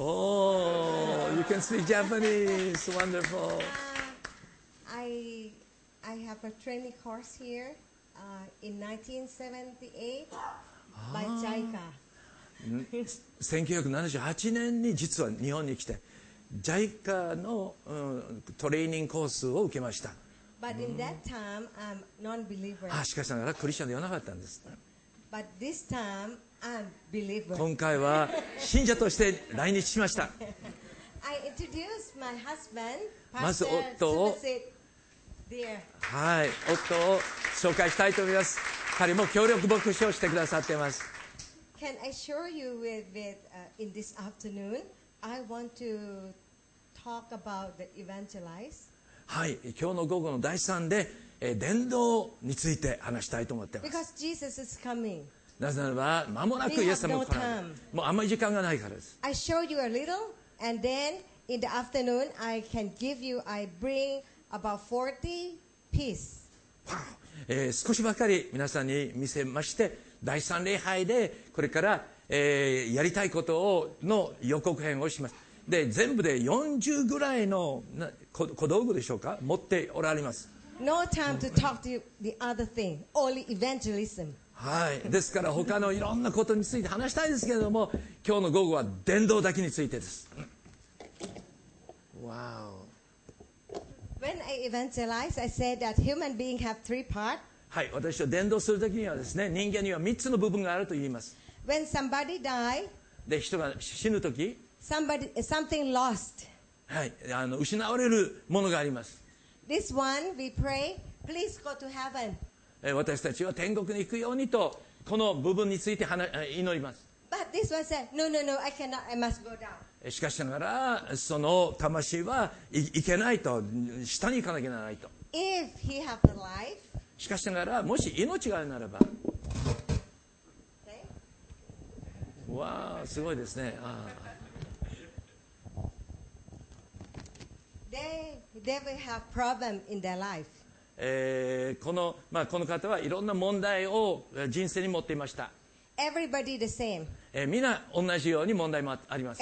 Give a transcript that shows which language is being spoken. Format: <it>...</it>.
<en>おー、You can speak Japanese. Wonderful. I have a training course here in 1978 by JICA.</en> <ja>1978年に実は日本に来て、JICA の、トレーニングコースを受けました。</ja> <en>But in that time, I'm non-believer.</en> <ja>しかしながらクリスチャンではなかったんです。</ja> <en>But this time,I'm believer.</en> <ja>今回は信者として来日しました。</ja> <en>I introduce my husband,</en> <ja>まず夫を、はい、夫を紹介したいと思います。彼も協力牧師をしてくださっています。</ja> <en>Can I assure you with, in this afternoon, I want to talk about the evangelize.</en> <ja>はい、今日の午後の第3で、伝道について話したいと思っています。</ja> <en>Because Jesus is coming</en> <ja>なぜならば、間もなくイエス様が来られる。もうあんまり時間がないからです。</ja> <en>I show you a little, and then in the afternoon, I can give you, I bring about 40 pieces.</en> <ja>少しばかり皆さんに見せまして、第3礼拝でこれから、やりたいことをの予告編をします。で、全部で40ぐらいの小道具でしょうか、持っておられます。</ja> <en>No time to talk to you the other thing, only evangelism.</en> <ja>はい、ですから他のいろんなことについて話したいですけれども、今日の午後は伝道だけについてです。わお。</ja> <en>When I evangelize, I say that human being have three part.</en> <ja>はい、私は伝道するときにはですね、人間には3つの部分があると言います。</ja> <en>When somebody die,</en> <ja>で人が死ぬとき、</ja> <en>something lost.</en> <ja>はい、失われるものがあります。</ja> <en>This one we pray, please go to heaven.</en> <ja>私たちは天国に行くようにと、この部分について祈ります。</ja> <en>But this one said, no, no, no, I cannot, I must go down.</en> <ja>しかしながら、その魂は行けないと、下に行かなきゃならないと。</ja> <en>If he have the life,</en> <ja>しかしながら、もし命があるならば、</ja> <en>okay.</en> <ja>わあ、すごいですね。ああ。</ja> <en>They will have problem in their life.</en> <ja>この、まあ、この方はいろんな問題を人生に持っていました。</ja> <en>Everybody the same.</en> <ja>みんな同じように問題もあります。</ja>